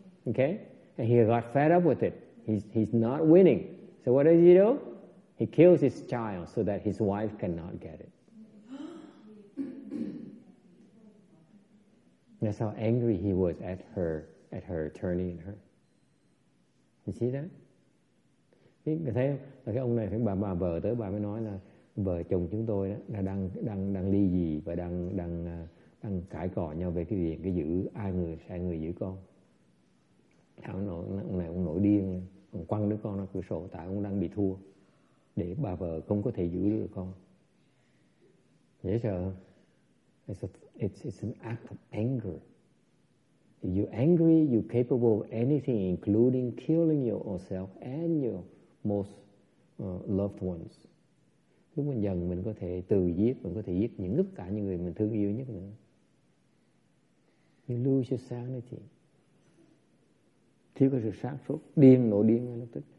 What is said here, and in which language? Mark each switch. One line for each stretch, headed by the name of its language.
English: Okay? And he got fed up with it. He's not winning. So what does he do? He kills his child so that his wife cannot get it. That's how angry he was at her attorney and her. You see that?
Vietnamese: Thì người thấy là cái ông này thấy bà vợ tới bà mới nói là vợ chồng chúng tôi đó là đang ly dị và đang cãi cọ nhau về cái việc cái giữ ai người sai người giữ con. Thằng nội ông này ông nổi điên, ông quăng đứa con ra cửa sổ tại ông đang bị thua để bà vợ không có thể giữ được con. Dễ sợ.
English: It's an act of anger. If you're angry, you're capable of anything, including killing yourself and your most loved ones.
Vietnamese: Lúc mình giận, mình có thể tự giết, mình có thể giết những tất cả những người mình thương yêu nhất nữa.
English: You lose your sanity.
Vietnamese: Thiếu cái sự sáng suốt, điên, nổi điên ngay lập tức.